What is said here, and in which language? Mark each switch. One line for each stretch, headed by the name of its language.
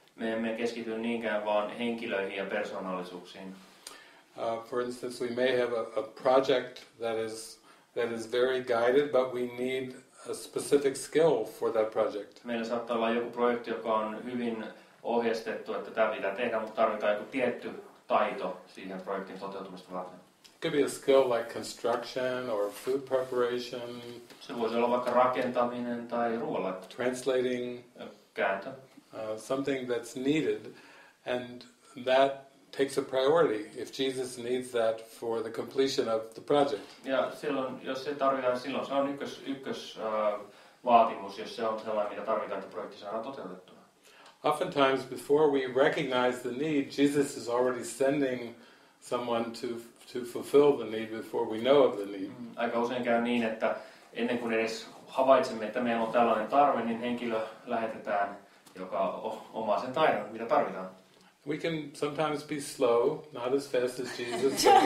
Finnish: Me emme keskity niinkään vaan henkilöihin ja persoonallisuuksiin.
English: For instance, we may have a project that is very guided, but we need a specific skill for that project.
Finnish: Meillä saattaa olla joku projekti, joka on hyvin ohjeistettu, että tämä pitää tehdä, mutta tarvitaan joku tietty taito siihen projektin toteutumista varten.
English: It could be a skill like construction or food preparation.
Finnish: Se voisi olla vaikka rakentaminen tai ruoanlaitto.
English: Translating.
Finnish: Kääntö.
English: Something that's needed, and that takes a priority if Jesus needs that for the completion of the project.
Finnish: Ja silloin, jos se tarvitaan, silloin se on ykkös vaatimus, jos se on sellainen, mitä tarvitaan, että projekti saadaan toteutettua.
English: Oftentimes, before we recognize the need, Jesus is already sending someone to fulfill the need before we know of the need.
Finnish: Aika usein käy niin, että ennen kuin edes havaitsemme, että meillä on tällainen tarve, niin henkilö lähetetään, joka omaa sen taidon, mitä tarvitaan.
English: We can sometimes be slow, not as fast as Jesus.